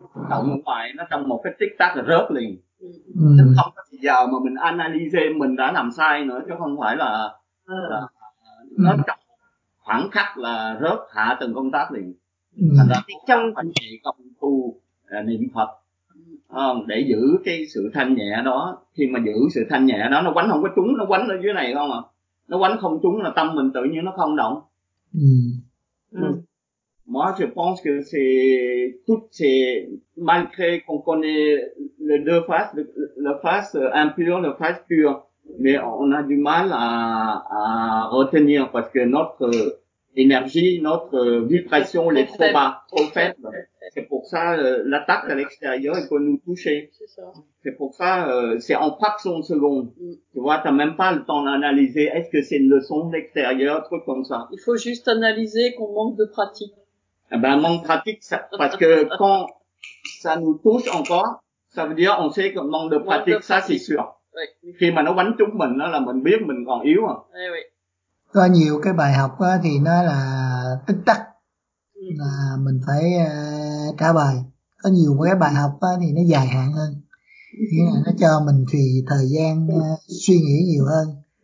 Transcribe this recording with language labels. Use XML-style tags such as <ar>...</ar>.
<vi>Động ngoài nó trong một cái tích tắc là rớt liền. Không có giờ mà mình analyze mình đã làm sai nữa, chứ không phải là nó trong khoảng khắc là rớt hạ từng công tác liền. Trong anh chị công tu niệm Phật để giữ cái sự thanh nhẹ đó, khi mà giữ sự thanh nhẹ đó nó quánh không có trúng, nó quánh ở dưới này không à, nó quánh không trúng là tâm mình tự nhiên nó không động.</vi> <fr>Moi, je pense que c'est toutes ces, malgré qu'on connaît les deux faces, la face impure, la face pure, mais on a du mal à retenir parce que notre énergie, notre vibration, elle est trop bas, trop faible. C'est pour ça, l'attaque à l'extérieur, elle peut nous toucher. C'est pour ça, c'est en fraction de seconde. Tu vois, t'as même pas le temps d'analyser est-ce que c'est une leçon de l'extérieur, truc comme ça. Il faut juste analyser qu'on manque de pratique. Eh ben, manque pratique, ça, parce que quand ça nous touche encore, ça veut dire, on sait que manque de pratique, ça, c'est sûr.</fr> <vi>Khi mà nó bắn trúng mình, là mình biết mình còn yếu à. Có nhiều cái bài học á, thì nó là tích tắc, là mình phải trả bài. Có nhiều cái bài học á, thì nó dài hạn hơn. Nghĩa là nó cho mình thì thời gian suy nghĩ nhiều hơn.</vi>